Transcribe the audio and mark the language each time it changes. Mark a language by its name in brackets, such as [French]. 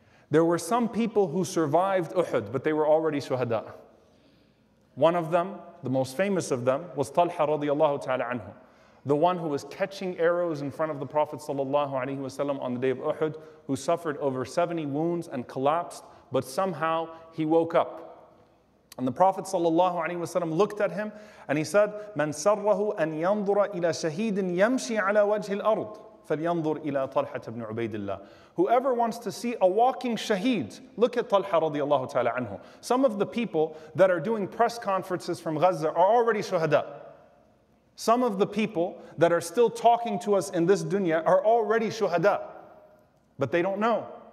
[English] There were some people who survived Uhud, but they were already shuhada. One of them, the most famous of them, was Talha radiallahu ta'ala anhu, the one who was catching arrows in front of the Prophet sallallahu alaihi wasallam on the day of Uhud, who suffered over 70 wounds and collapsed, but somehow he woke up. And the Prophet sallallahu alaihi wasallam looked at him and he said, [Arabic] مَنْ سَرَّهُ أَنْ يَنْظُرَ إِلَى شَهِيدٍ يَمْشِي عَلَى وَجْهِ الْأَرْضِ فَلْيَنْظُرْ إِلَى طَلْحَةَ بْنُ عُبَيْدِ اللَّهِ. [English] Whoever wants to see a walking shaheed, look at Talha radiallahu ta'ala anhu. Some of the people that are doing press conferences from Gaza are already shuhada. Some of the people that are still talking to us in this dunya are already shuhada, but they don't know.